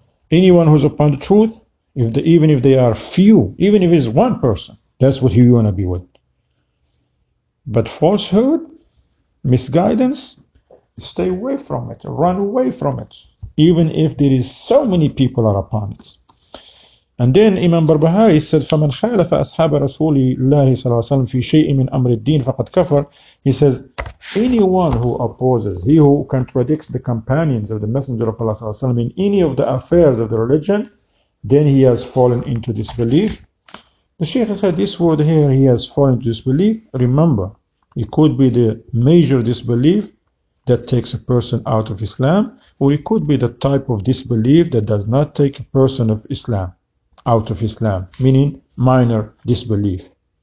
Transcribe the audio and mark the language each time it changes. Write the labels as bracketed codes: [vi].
[en] Anyone who's upon the truth, even if they are few, even if it's one person, that's what you want to be with. But falsehood, misguidance, stay away from it, run away from it, even if there is so many people are upon it. And then Imam Barbahari said, [ar] فَمَنْ خَالَفَ أَصْحَابَ رَسُولِ اللَّهِ صَلَى اللَّهِ وَسَلَّمَ فِي شَيْءٍ مِنْ أَمْرِ الدِّينِ فَقَدْ كَفَرَ. [en] He says, anyone who opposes, he who contradicts the companions of the Messenger of Allah صلى الله عليه وسلم in any of the affairs of the religion, then he has fallen into disbelief. The Shaykh said, this word here, he has fallen into disbelief. Remember, it could be the major disbelief that takes a person out of Islam, or it could be the type of disbelief that does not take a person of Islam out of Islam, meaning minor disbelief.